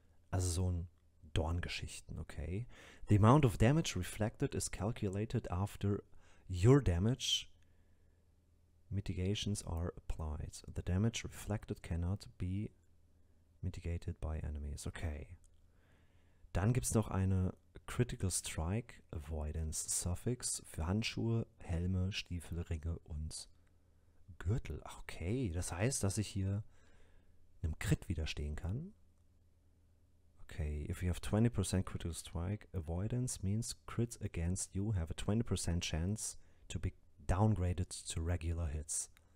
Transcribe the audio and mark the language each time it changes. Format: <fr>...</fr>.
<en>Also so ein Dorngeschichten, okay. The amount of damage reflected is calculated after your damage mitigations are applied. The damage reflected cannot be mitigated by enemies. Okay.</en> <de>Dann gibt es noch eine Critical Strike Avoidance Suffix für Handschuhe, Helme, Stiefel, Ringe und Gürtel. Okay, das heißt, dass ich hier einem Crit widerstehen kann.</de> <en>Okay, if you have 20% Critical Strike Avoidance means crits against you have a 20% chance to be downgraded to regular hits.</en>